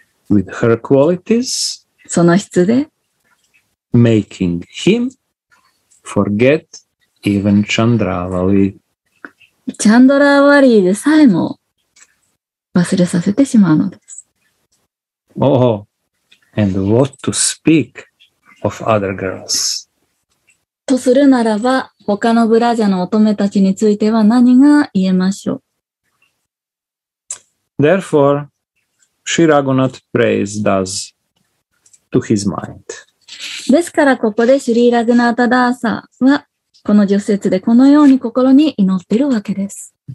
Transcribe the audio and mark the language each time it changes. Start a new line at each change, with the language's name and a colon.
English: With her qualities,
Japanese: その質で、
English: making him forget even Chandravali.
Japanese: チャンドラーワリーでさえも忘れさせてしまうのです。
English: Oh, and what to speak of other girls?
Japanese: とするならば、他のブラジャの乙女たちについては何が言えましょう。
English: Therefore, Sri Raghunath prays thus to his mind.
Japanese: ですからここでシュリー・ラグナータ・ダーサはこの序説でこのように心に祈っているわけです。